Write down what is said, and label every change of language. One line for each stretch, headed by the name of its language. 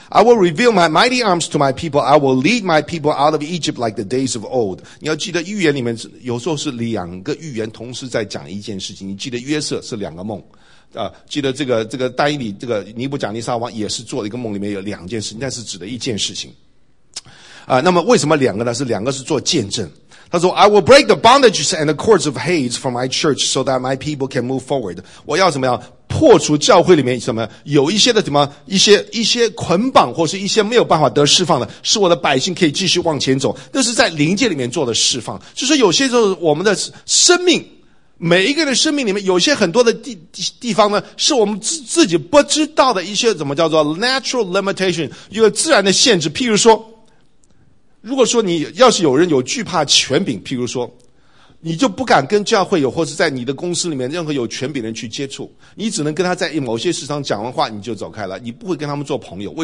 English: I will reveal my mighty arms to my people. I will lead my people out of Egypt like the days of old.
Chinese: 你要记得预言里面有时候是两个预言同时在讲一件事情。你记得约瑟是两个梦。记得这个丹尼里这个尼布甲尼撒王也是做了一个梦，里面有两件事情，但是指的一件事情。那么为什么两个呢？是两个是做见证。他说
English: I will break the bondages and the cords of Hades from my church so that my people can move forward.
Chinese: 我要怎么样破除教会里面什么有一些的什么一些捆绑或是一些没有办法得释放的，使我的百姓可以继续往前走。那是在灵界里面做的释放。就是有些时候我们的生命，每一个人的生命里面有些很多的地方呢，是我们自己不知道的一些怎么叫做
English: natural limitation,
Chinese: 一个自然的限制。譬如说，如果说你要是有人有惧怕权柄，譬如说你就不敢跟教会有或是在你的公司里面任何有权柄的人去接触，你只能跟他在某些事上讲完话你就走开了，你不会跟他们做朋友。